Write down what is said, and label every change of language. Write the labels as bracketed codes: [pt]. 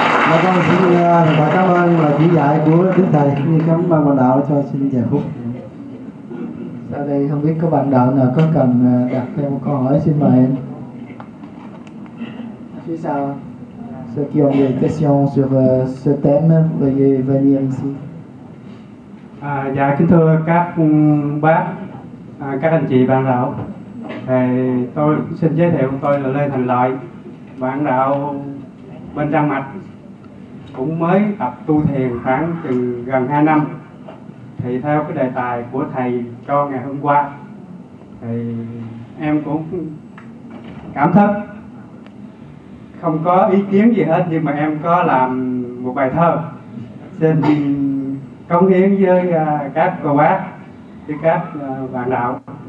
[vi] Mà con xin và cảm ơn lời chỉ dạy của Đức Thầy. Như cảm ơn bạn đạo cho xin giờ phút. Ở đây không biết có bạn đạo nào có cần đặt thêm một câu hỏi, xin mời em. Phía sau, [fr] ceux qui ont des questions sur ce thème, veuillez venir ici. [vi] Dạ, kính thưa các bác, các anh chị bạn đạo. Tôi xin giới thiệu, tôi là Lê Thành Lợi, bạn đạo bên Trang Mạch. Cũng mới tập tu thiền khoảng chừng gần 2 năm. Thì theo cái đề tài của thầy cho ngày hôm qua thì em cũng cảm thấy không có ý kiến gì hết, nhưng mà em có làm một bài thơ xin cống hiến với các cô bác, với các bạn đạo.